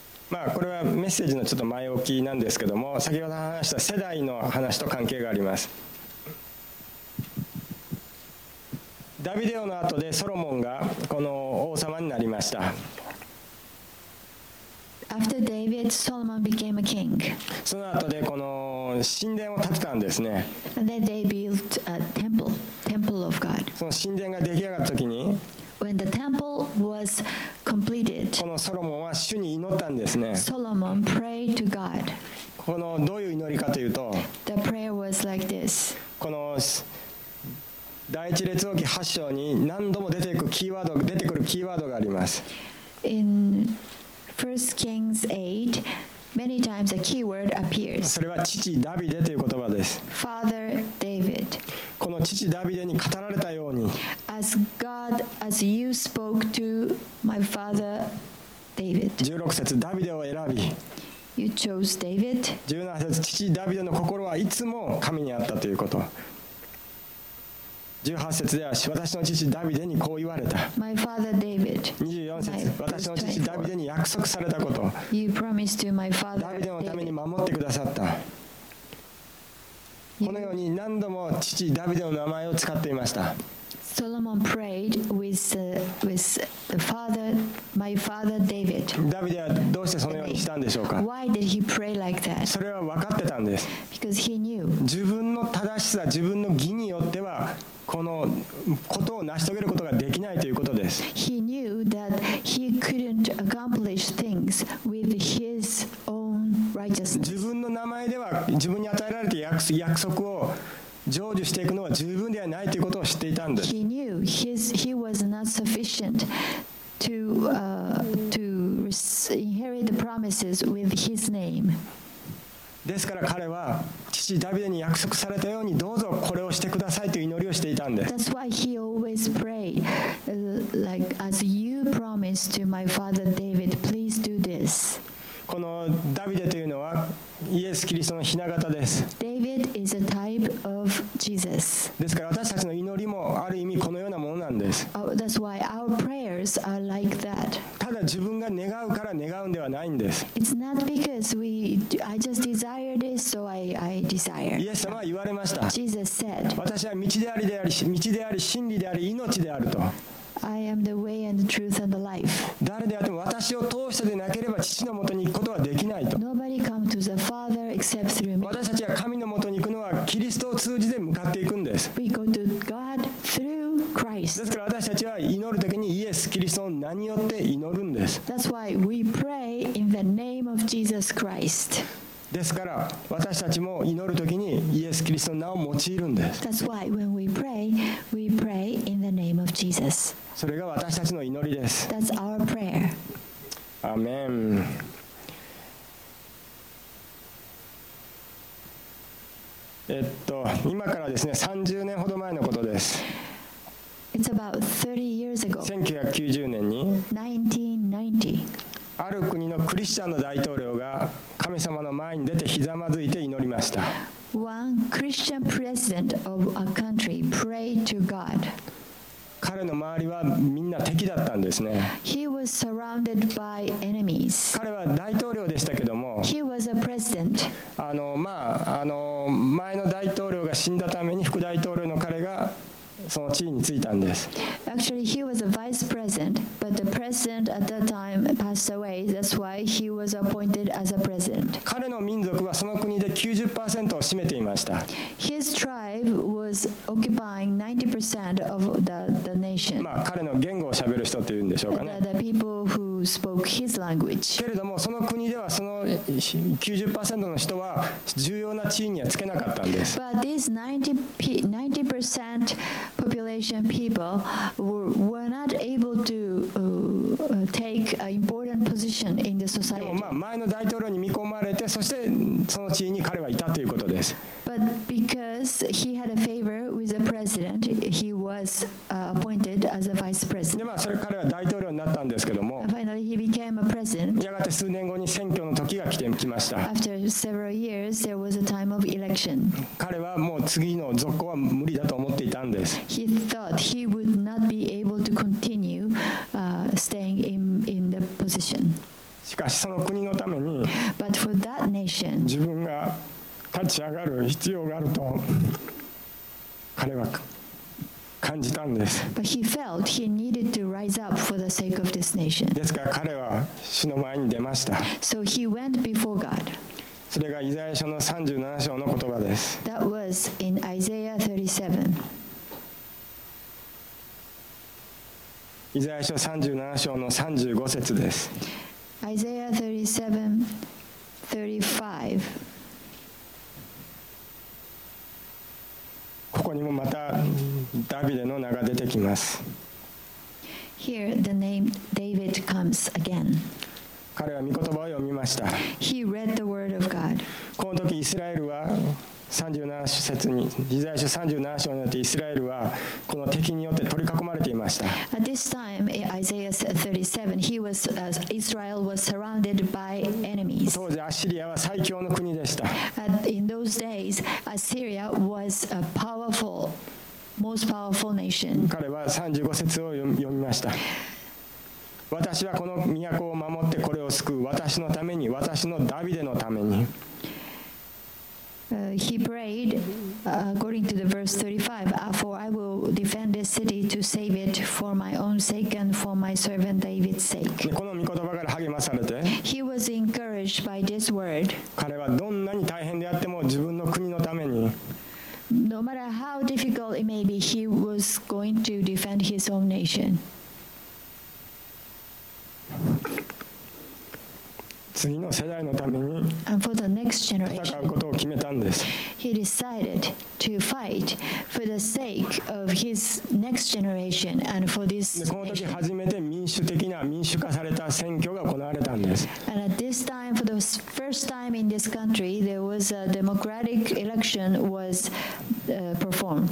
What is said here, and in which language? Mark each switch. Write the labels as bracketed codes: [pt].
[ja] まあ、これはメッセージのちょっと前置きなんですけども、先ほど話した世代の話と関係があります。ダビデ王の後でソロモンがこの王様になりました。 [en] After David, Solomon became a king. [ja] その後でこの神殿を建てたんですね。 [en] And then they built a temple of God. [ja] その神殿が出来上がった時に [en] When the temple was completed, [ja] このソロモンは主に祈ったんですね。 [en] Solomon prayed to God. [ja] このどういう祈りかというと、 [en] The prayer was like this. [ja] この第一列王記8章に何度も出てくるキーワードがあります。 [en] In 1 Kings 8, many times a keyword appears. [ja] それは父ダビデという言葉です。 [en] Father David. [ja] この父ダビデに語られたように [en] As God, as you spoke to my father David. [ja] 16節ダビデを選び [en] You chose David. [ja] 17節父ダビデの心はいつも神にあったということ。 18節では私の父ダビデにこう言われた。 [en] My father David. [ja] 24節私の父ダビデに約束されたこと。 [en] You promised to my father [ja] David. ダビデのために守ってくださった。このように何度も父ダビデの名前を使っていました。 [en] Solomon prayed with the father, my father David. [ja] ダビデはどうしてそのようにしたんでしょうか。 [en] Why did he pray like that? [ja] それは分かってたんです。 [en] Because he knew. [ja] 自分の正しさ、自分の義によってはこのことを成し遂げることができないということです。 [en] He knew that he couldn't accomplish things with his own righteousness. [ja] 自分の名前では自分に与えられた約束を成就していくのは十分ではないということを知っていたんです。 [en] He knew he was not sufficient to inherit the promises with his name. [ja] ですから彼は父ダビデに約束されたようにどうぞこれをしてくださいという祈りをしていたんです。 [en] That's why he always prayed like as you promised to my father David, please do this. [ja] このダビデというのはイエス・キリストの雛形です。 [en] David is a type of Jesus. [ja] ですから私たちの祈りもある意味このようなものなんです。 [en] That's why our prayers are like that. [ja] ただ自分が願うから願うんではないんです。 [en] It's not because I just desire this, so I desire. [ja] イエス様は言われました。 [en] Jesus said, [ja] 私は道であり真理であり命であると。 [en] I am the way and the truth and the life. [ja] 誰であっても私を通してでなければ父のもとに行くことはできないと。 [en] Nobody come to the Father except through me. [ja] 私たちは神のもとに行くのはキリストを通じて向かっていくんです。 [en] We go to God through. [ja] ですから私たちは祈るときにイエス・キリストの名によって祈るんです。 [en] That's why we pray in the name of Jesus Christ. [ja] ですから私たちも祈るときにイエス・キリストの名を用いるんです。 [en] That's why when we pray, we pray in the name of Jesus. [ja] それが私たちの祈りです。 [en] That's our prayer. [ja] アーメン。今からですね、30年ほど前のことです。 [en] It's about 30 years ago. [ja] 1990年に、 [en] 1990. [ja] ある国のクリスチャンの大統領が神様の前に出てひざまずいて祈りました。 [en] One Christian president of a country prayed to God. [ja] 彼の周りはみんな敵だったんですね。 [en] He was surrounded by enemies. [ja] 彼は大統領でしたけども、 [en] He was a president. [ja] 前の大統領が死んだために副大統領の彼がその地位についたんです。 [en] Actually, he was a vice president, but the president at that time passed away. That's why he was appointed as a president. [ja] 彼の民族はその国で 90% を占めていました。 [en] His tribe was occupying 90% of the nation. [ja] まあ彼の言語を喋る人というんでしょうかね。 [en] The people who spoke his language. [ja] けれどもその国ではその 90% の人は重要な地位にはつけなかったんです。 [en] But these 90% population people were not able to take an important position in the society. [ja] でもまあ前の大統領に見込まれて、そしてその地位に彼はいたということです。 [en] But because he had a favor with the president, he was appointed as a vice president. [ja] でまあそれ彼は大統領になったんですけども。 [en] Finally, he became a president. [ja] やがて数年後に選挙の時が来てきました。 [en] After several years, there was a time of election. [ja] 彼はもう次の続行は無理だと思っていたんです。 [en] He thought he would not be able to continue staying in the position. [ja] しかしその国のために。 [en] But for that nation. [ja] 自分が立ち上がる必要があると彼は感じたんです。 [en] But he felt he needed to rise up for the sake of this nation. [ja] ですから彼は主の前に出ました。 [en] So he went before God. [ja] それがイザヤ書の37章の言葉です。 [en] That was in Isaiah 37. [ja] イザヤ書37章の35節です。 [en] Isaiah 37:35. [ja] ここにもまたダビデの名が出てきます。 [en] Here the name David comes again. [ja] 彼は御言葉を読みました。 [en] He read the word of God. [ja] この時イスラエルは37節に、イザヤ書37章によってイスラエルはこの敵によって取り囲まれていました。 [en] At this time, Isaiah 37, Israel was surrounded by enemies. [ja] 当時アッシリアは最強の国でした。 [en] In those days, Assyria was a powerful, most powerful nation. [ja] 彼は35節を読みました。私はこの都を守ってこれを救う。私のために、私のダビデのために。 [en] He prayed, according to the verse 35, for I will defend this city to save it for my own sake and for my servant David's sake. [ja] この御言葉から励まされて、 [en] He was encouraged by this word. [ja] 彼はどんなに大変であっても自分の国のために、 [en] No matter how difficult it may be, he was going to defend his own nation. [ja] 次の世代のために戦うことを決めたんです。 [en] He decided to fight for the sake of his next generation and for this nation. [ja] この時初めて民主的な民主化された選挙が行われたんです。 [en] And at this time, for the first time in this country, there was a democratic election was performed.